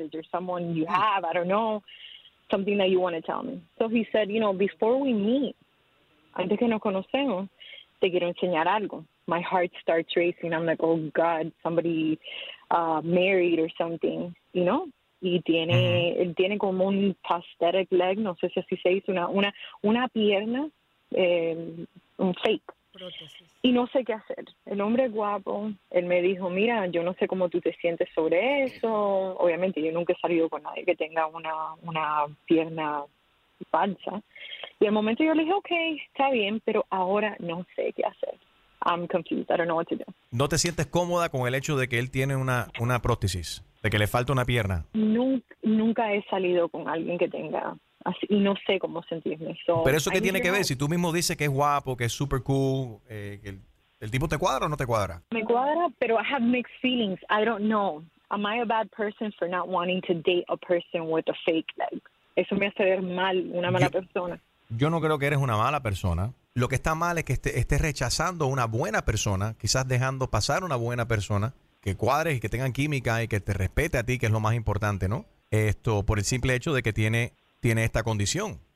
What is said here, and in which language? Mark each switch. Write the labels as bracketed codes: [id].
[en] Is there someone you have? I don't know, something that you want to tell me. So he said, you know, before we meet, [es] antes que nos conocemos, te quiero enseñar algo. [en] My heart starts racing. I'm like, oh God, somebody married or something, you know? [es] Y tiene, tiene como un [en] prosthetic leg, [es] no sé si así se dice, una pierna, un fake. Prótesis. Y no sé qué hacer. El hombre guapo, él me dijo, mira, yo no sé cómo tú te sientes sobre eso. Obviamente, yo nunca he salido con nadie que tenga una pierna falsa. Y al momento yo le dije, okay, está bien, pero ahora no sé qué hacer. [en] I'm confused, I don't know what to do. [es] ¿No te sientes cómoda con el hecho de que él tiene una prótesis, de que le falta una pierna? Nunca he salido con alguien que tenga así, y no sé cómo sentirme. [en] So, [es] ¿pero eso qué tiene que ver? Si tú mismo dices que es guapo, que es super cool, ¿el tipo te cuadra o no te cuadra? Me cuadra, pero [en] I have mixed feelings. I don't know. Am I a bad person for not wanting to date a person with a fake leg? [es] Eso me hace ver mal, una mala persona. Yo no creo que eres una mala persona. Lo que está mal es que estés rechazando a una buena persona, quizás dejando pasar una buena persona, que cuadres y que tengan química y que te respete a ti, que es lo más importante, ¿no? Esto por el simple hecho de que tiene esta condición.